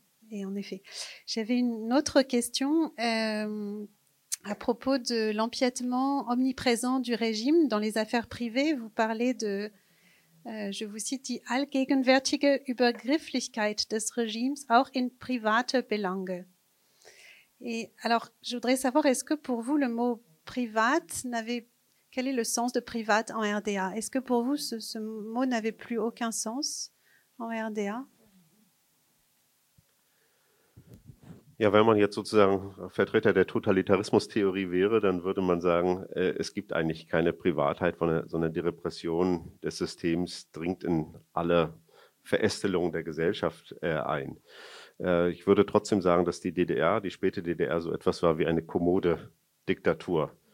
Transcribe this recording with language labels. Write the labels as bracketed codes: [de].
[fr] Et en effet, j'avais une autre question à propos de l'empiètement omniprésent du régime dans les affaires privées. Vous parlez de, je vous cite, [de] die allgegenwärtige Übergrifflichkeit des Regimes auch in private Belange. [fr] Et alors, je voudrais savoir, est-ce que pour vous, le mot « private » quel est le sens de « private » en RDA? Est-ce que pour vous, ce mot n'avait plus aucun sens en RDA? [de] Ja, wenn man jetzt sozusagen Vertreter der Totalitarismus-Theorie wäre, dann würde man sagen, es gibt eigentlich keine Privatheit, sondern die Repression des Systems dringt in alle Verästelungen der Gesellschaft ein. Ich würde trotzdem sagen, dass die DDR, die späte DDR, so etwas war wie eine kommode Diktatur.